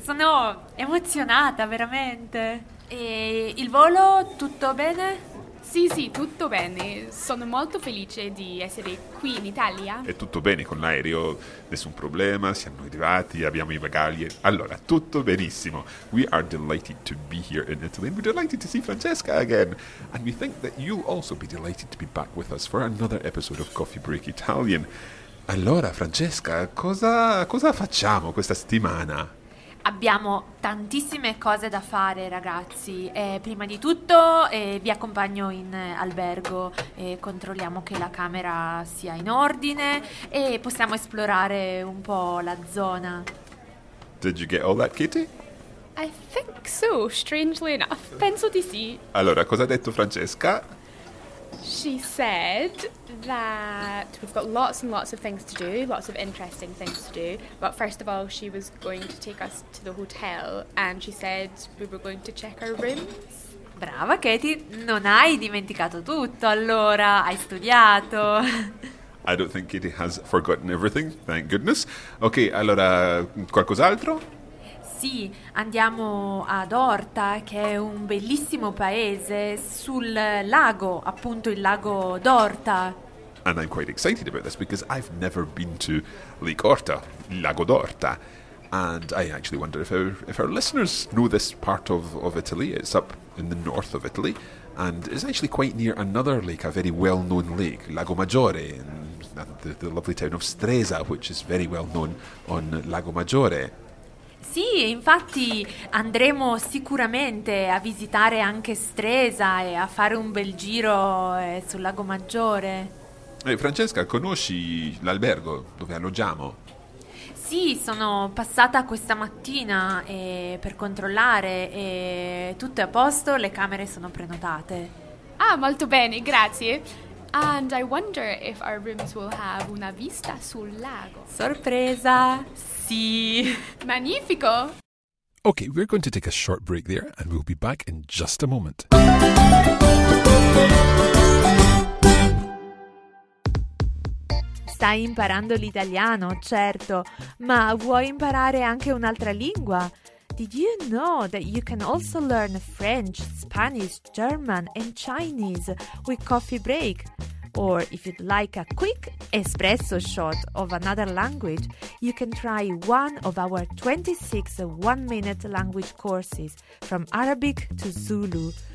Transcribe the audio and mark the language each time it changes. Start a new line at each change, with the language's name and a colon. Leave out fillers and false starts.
Italian: Sono emozionata, veramente. E il volo, tutto bene? Sì, sì, tutto bene. Sono molto felice di essere qui in Italia. È tutto bene con l'aereo, nessun problema, siamo arrivati, abbiamo i bagagli. Allora, tutto benissimo.
English: We are delighted to be here in Italy and we're delighted to see Francesca again. And we think that you'll also be delighted to be back with us for another episode of Coffee Break Italian.
Italian: Allora, Francesca, cosa facciamo questa settimana? Abbiamo tantissime cose da fare, ragazzi. Prima di tutto vi accompagno in albergo e controlliamo che la camera sia in ordine e possiamo esplorare un po' la zona.
English: Did you get all that, Kitty? I think so, strangely enough.
Italian: Penso di sì. Allora, cosa ha detto Francesca?
English: She said that we've got lots and lots of things to do, lots of interesting things to do, but first of all she was going to take us to the hotel and she said we were going to check our rooms.
Italian: Brava Katie, non hai dimenticato tutto allora, hai studiato.
English: I don't think Katie has forgotten everything, thank goodness.
Italian: Okay, allora qualcos'altro? Sì, andiamo ad Orta, che è un bellissimo paese, sul lago, appunto il lago d'Orta.
English: And I'm quite excited about this because I've never been to Lake Orta, il lago d'Orta. And I actually wonder if our listeners know this part of Italy. It's up in the north of Italy and it's actually quite near another lake, a very well-known lake, Lago Maggiore, in the lovely town of Stresa, which is very well-known on Lago Maggiore.
Italian: Sì, infatti andremo sicuramente a visitare anche Stresa e a fare un bel giro sul Lago Maggiore. Francesca, conosci l'albergo dove alloggiamo? Sì, sono passata questa mattina per controllare e tutto è a posto, le camere sono prenotate. Ah, molto bene, grazie.
English: And I wonder if our rooms will have
Italian: una vista sul lago. Sorpresa! Sì! Magnifico!
English: Okay, we're going to take a short break there and we'll be back in just a moment.
Italian: Stai imparando l'italiano, certo, ma vuoi imparare anche un'altra lingua?
English: Did you know that you can also learn French, Spanish, German and Chinese with Coffee Break? Or if you'd like a quick espresso shot of another language, you can try one of our 26 one-minute language courses from Arabic to Zulu.